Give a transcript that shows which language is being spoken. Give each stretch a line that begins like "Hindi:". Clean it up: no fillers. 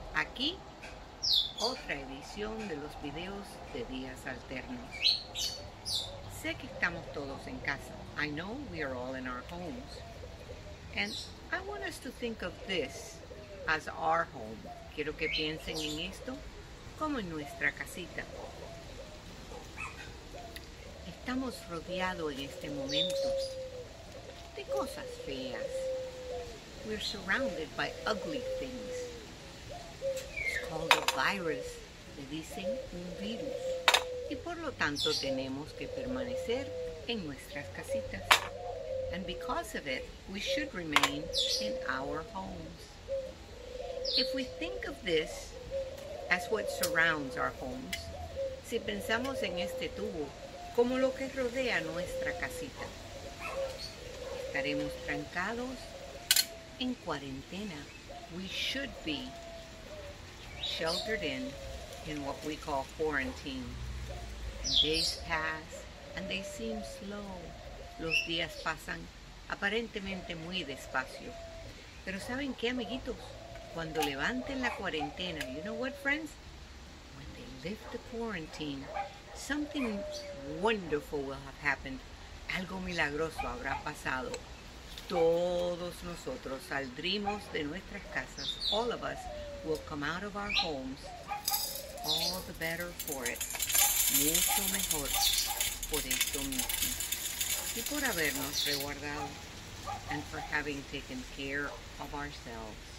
Spanish: Aquí, otra edición de los videos de días alternos. Sé que estamos todos en casa.
English: I know we are all in our homes. And I want us to think of this as our home.
Spanish: Quiero que piensen en esto como en nuestra casita. Estamos rodeados en este momento de cosas feas.
English: We're surrounded by ugly things. It's called a virus.
Spanish: Le dicen un virus. Y por lo tanto tenemos que permanecer en nuestras casitas.
English: And because of it, we should remain in our homes. If we think of this as what surrounds our homes,
Spanish: si pensamos en este tubo, como lo que rodea nuestra casita. Estaremos trancados en cuarentena.
English: We should be sheltered in what we call quarantine. And days pass and they seem slow.
Spanish: Los días pasan aparentemente muy despacio. Pero ¿saben qué, amiguitos? Cuando levanten la cuarentena,
English: you know what, friends? When they lift the quarantine, something wonderful will have happened.
Spanish: Algo milagroso habrá pasado. Todos nosotros saldremos de nuestras casas.
English: All of us will come out of our homes. All the better for it.
Spanish: Mucho mejor por esto mismo. Y por habernos resguardado.
English: And for having taken care of ourselves.